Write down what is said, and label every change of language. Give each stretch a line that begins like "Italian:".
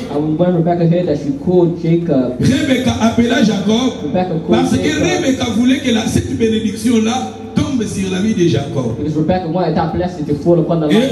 English: And when Rebecca heard that she called Jacob.
French: Rebecca appela Jacob.
English: Rebecca called
French: parce que
English: Jacob.
French: Rebecca voulait que cette bénédiction là tombe sur la vie de Jacob.
English: Because Rebecca wanted that blessing to fall upon the life.